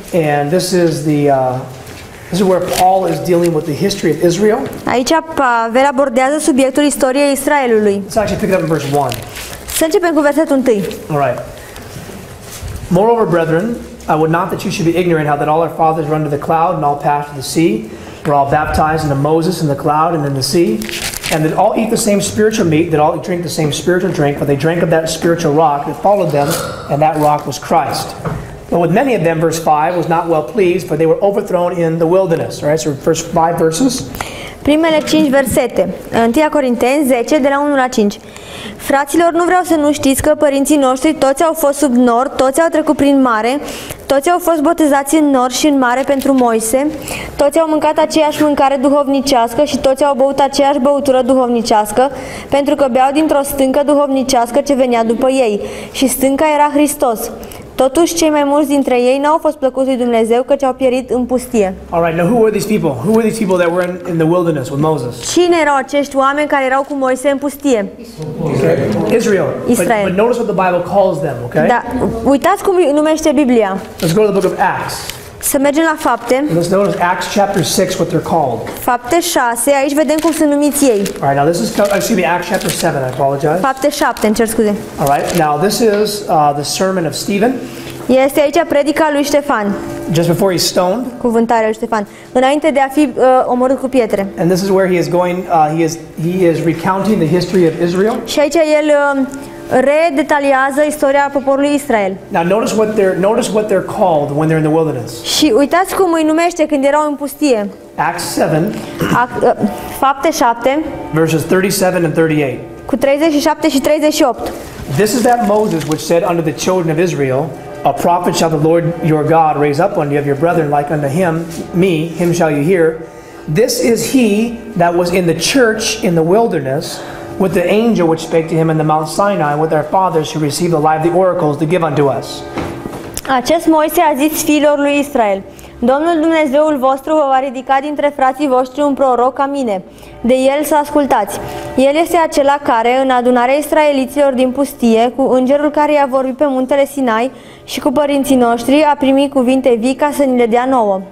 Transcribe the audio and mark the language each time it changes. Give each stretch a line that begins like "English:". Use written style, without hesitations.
English: And this is the this is where Paul is dealing with the history of Israel.
Romanian: Aici Pavel abordează subiectul istoriei Israelului.
English: Let's actually pick it up in verse 1.
Romanian: Să începem cu versetul 1.
English: All right. Moreover, brethren, I would not that you should be ignorant how that all our fathers were under the cloud and all passed through the sea, were all baptized into Moses in the cloud and in the sea, and that all eat the same spiritual meat, that all drink the same spiritual drink, but they drank of that spiritual rock that followed them, and that rock was Christ. But with many of them, verse 5, was not well pleased, for they were overthrown in the wilderness. All right, so first five verses.
Romanian: Primele 5 versete. 1 Corinteni 10 de la 1 la 5. Fraților, nu vreau să nu știți că părinții noștri toți au fost sub nor, toți au trecut prin mare, toți au fost botezați în nor și în mare pentru Moise, toți au mâncat aceeași mâncare duhovnicească și toți au băut aceeași băutură duhovnicească, pentru că beau dintr-o stâncă duhovnicească ce venea după ei și stânca era Hristos. Totuși, cei mai mulți dintre ei n-au fost plăcuți lui Dumnezeu, căci au pierit în pustie.
English: All right, now who were these people? Who were these people that were in the wilderness with Moses?
Romanian: Cine erau acești oameni care erau cu Moise în pustie?
English: Israel.
Romanian: Israel.
English: But notice what the Bible calls them, okay?
Romanian: Da, uitați cum numește Biblia.
English: Let's go to the book of Acts.
Romanian: Să mergem la fapte.
English: Let's notice Acts chapter 6, what they're called.
Romanian: Fapte 6, aici vedem cum sunt numiți ei.
English: All right, now this is, excuse me, Acts chapter 7, I apologize.
Romanian: Fapte 7, îmi cer scuze.
English: All right, now this is the sermon of Stephen.
Romanian: Este aici predica lui Ștefan.
English: Just before he's stoned.
Romanian: Cuvântarea lui Ștefan. Înainte de a fi omorât cu pietre.
English: And this is where he is going, he is recounting the history of Israel.
Romanian: Și aici el redetaliază istoria poporului Israel.
English: Now notice what they're called when they're in the wilderness.
Romanian: Și uitați cum îi numește când erau în pustie.
English: Acts 7.
Romanian: Fapte 7.
English: Verses 37 and 38.
Romanian: Cu 37 și 38.
English: This is that Moses which said unto the children of Israel, a prophet shall the Lord your God raise up unto you of your brethren like unto him, me, him shall you hear. This is he that was in the church in the wilderness with the angel which spake to him in the Mount Sinai with our fathers who received alive the oracles to give unto us.
Romanian: Acest Moise a zis fiilor lui Israel, Domnul Dumnezeul vostru vă va ridica dintre frații voștri un proroc ca mine. De el să ascultați. El este acela care, în adunarea israeliților din pustie, cu îngerul care i-a vorbit pe muntele Sinai și cu părinții noștri, a primit cuvinte vii ca să ni le dea nouă.